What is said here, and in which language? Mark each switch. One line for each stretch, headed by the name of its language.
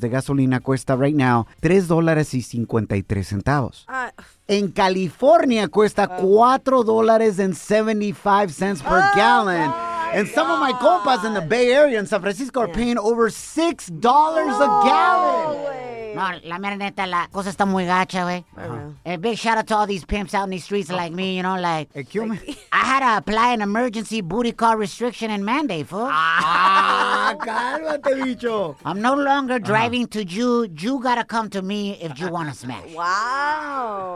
Spanish: de gasolina cuesta
English: right now
Spanish: $3.53. En California cuesta $4.75
English: per gallon. And some of my compas in the Bay Area in San Francisco are paying over $6 a gallon.
Spanish: No, la mera neta, la cosa está muy gacha, güey.
English: Big shout out to all these pimps out in these streets like me, you know, like. Hey, kill me. I had to apply an emergency booty call restriction and mandate, fool.
Spanish: Ah, cálmate, bicho.
English: I'm no longer driving to Jew. Jew gotta come to me if Jew wanna smash. Wow.